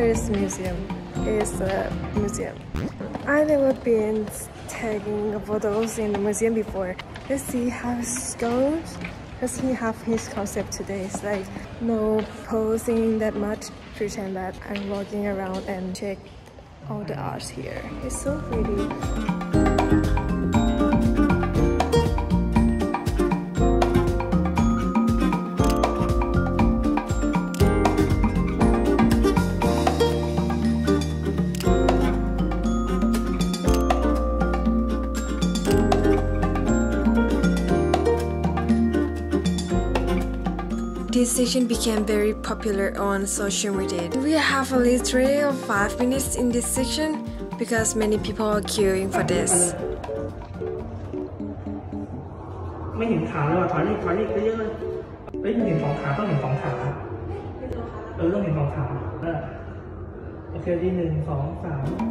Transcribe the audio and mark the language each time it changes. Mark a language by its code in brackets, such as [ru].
[en] museum is a museum. I've never been taking photos in the museum before. Let's see how it goes. Does he have his concept today? It's like no posing that much. Pretend that I'm walking around and check all the art here. It's so pretty. This session became very popular on social media. We have a literally 5 minutes in this session because many people are queuing for this. [th] ไม่เห็นขาเลยว่ะถอยนี่ก็เยอะเลยเฮ้ยเห็นสองขาต้องเห็นสองขาต้องเห็นสองขาโอเคที่หนึ่งสองสาม